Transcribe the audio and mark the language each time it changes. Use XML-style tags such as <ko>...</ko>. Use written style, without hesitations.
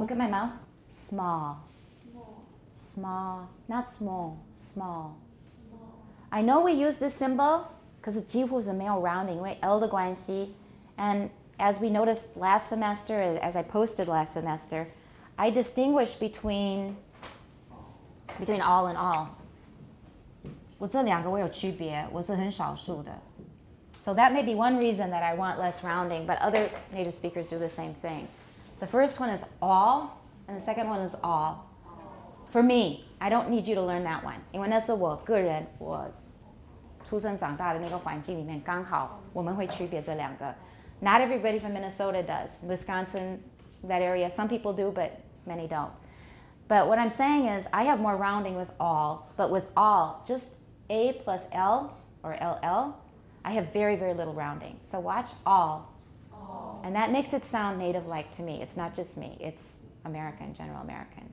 <en>Look at my mouth. Small. Small. Not small. Small. I know we use this symbol because</en> <zh>几乎是没有</zh> <en>rounding,</en> <zh>因为 L 的关系.</zh> <en>And as we noticed last semester, as I posted last semester, I distinguish between all and all.</en> <zh>我这两个我有区别，我是很少数的。</zh> <en>So that may be one reason that I want less rounding, but other native speakers do the same thing. The first one is all, and the second one is all. For me, I don't need you to learn that one.</en> <zh>因为那是我个人，我出生长大的那个环境里面，刚好我们会区别这两个。</zh> <en>Not everybody from Minnesota does. Wisconsin, that area, some people do, but many don't. But what I'm saying is, I have more rounding with all, but with all, just A plus L, or LL, I have very, very little rounding. So watch all. And that makes it sound native-like to me. It's not just me, it's American, general American.</en>